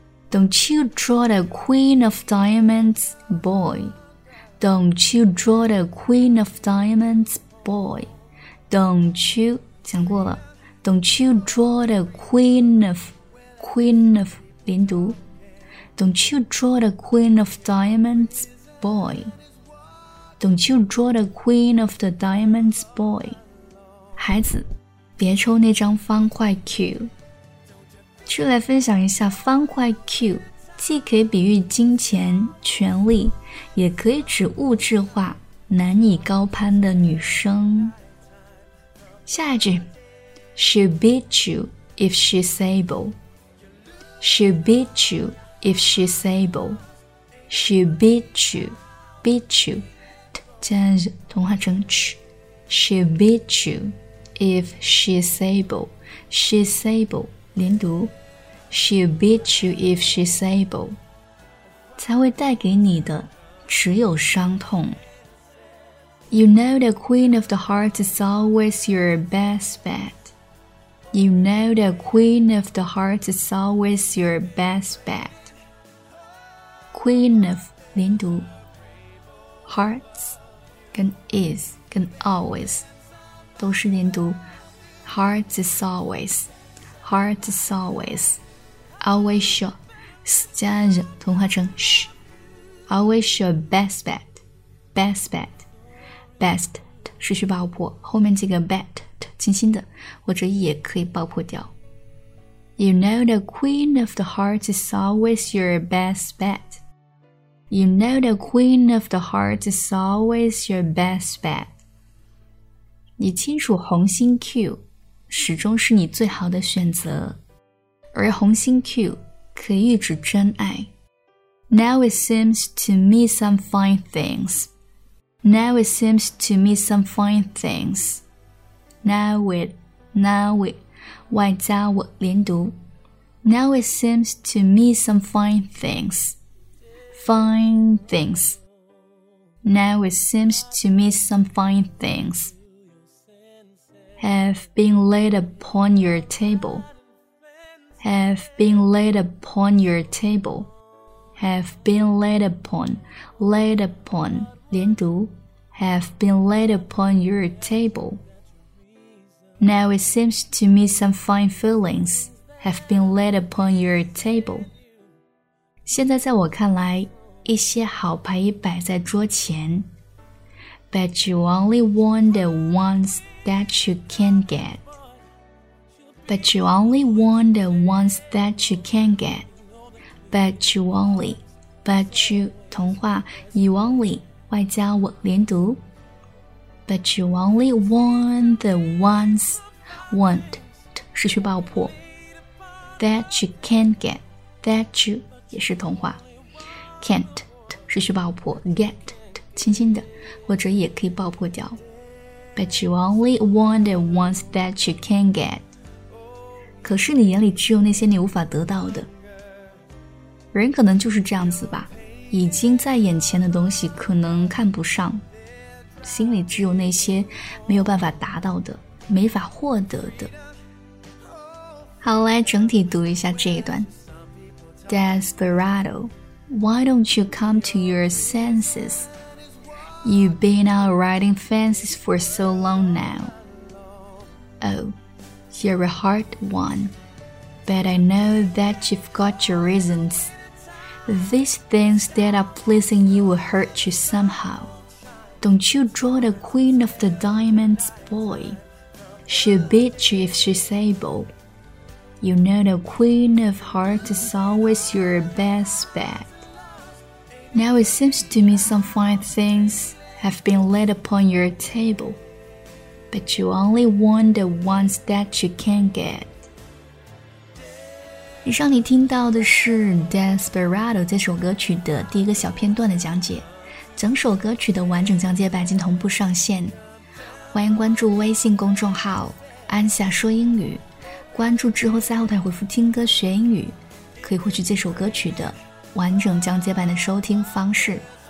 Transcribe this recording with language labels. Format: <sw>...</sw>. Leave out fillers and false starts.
<en>Don't you draw the queen of diamonds, boy? Don't you draw the queen of diamonds, boy? Don't you,</en> <zh>讲过了。</zh> <en>Don't you draw the queen of,</en> <zh>连读。</zh> <en>Don't you draw the queen of diamonds, boy? Don't you draw the queen of the diamonds, boy?</en> <zh>孩子，别抽那张方块 Q。就来分享一下方块 Q， 既可以比喻金钱、权力，也可以指物质化、难以高攀的女生。下一句</zh> <en>，She'll beat you if she's able. She'll beat you if she's able. She'll beat you, beat you.</en> <zh>加同化成 ch</zh> <en>She'll beat you if she's able. She's able.</en> <zh>连读</zh> <en>She'll beat you if she's able.</en> <zh>才会带给你的只有伤痛</zh> <en>You know the queen of the heart is always your best bet. You know the queen of the heart is always your best bet. Queen of</en> <zh>连读</zh> <en>Hearts.</en> <zh>跟 is 跟 always 都是连读</zh> <en>Heart is always Heart is always Always your</en> <zh>加着同化成 sh</zh> <en>Always your best bet Best bet Best</en> <zh>失去爆破后面这个 bet 轻轻的或者也可以爆破掉</zh> <en>You know the queen of the heart is always your best betYou know the queen of the heart is always your best bet.</en> <zh>你清楚红心 Q 始终是你最好的选择。而红心 Q 可以预指真爱。</zh> <en>Now it seems to me some fine things. Now it seems to me some fine things. Now it,</en> <zh>外加我连读。</zh> <en>Now it seems to me some fine things. Fine things. Now it seems to me some fine things have been laid upon your table. Have been laid upon your table. Have been laid upon. Laid upon.</en> <zh>连读</zh> <en>Have been laid upon your table. Now it seems to me some fine feelings have been laid upon your table.</en> <zh>现在在我看来一些好牌也摆在桌前</zh> <en>But you only want the ones that you can get But you only want the ones that you can get But you only But you</en> <zh>同化</zh> <en>You only</en> <zh>外加我连读</zh> <en>But you only want the ones</en> <zh>Want 失去爆破</zh> <en>That you can get That you</en> <zh>也是同化Can't 失去爆破 Get 轻轻的或者也可以爆破掉</zh> <en>But you only want the ones that you can get</en> <zh>可是你眼里只有那些你无法得到的人可能就是这样子吧已经在眼前的东西可能看不上心里只有那些没有办法达到的没法获得的好来整体读一下这一段</zh> <en>DesperadoWhy don't you come to your senses? You've been out riding fences for so long now. Oh, you're a hard one. But I know that you've got your reasons. These things that are pleasing you will hurt you somehow. Don't you draw the queen of the diamonds, boy? She'll beat you if she's able. You know the queen of hearts is always your best bet.Now it seems to me some fine things have been laid upon your table, but you only want the ones that you can get.</en> <zh>以上你听到的是 Desperado 这首歌曲的第一个小片段的讲解，整首歌曲的完整讲解版已经同步上线，欢迎关注微信公众号安夏说英语，关注之后在后台回复听歌学英语，可以获取这首歌曲的完整讲解版的收听方式。</zh>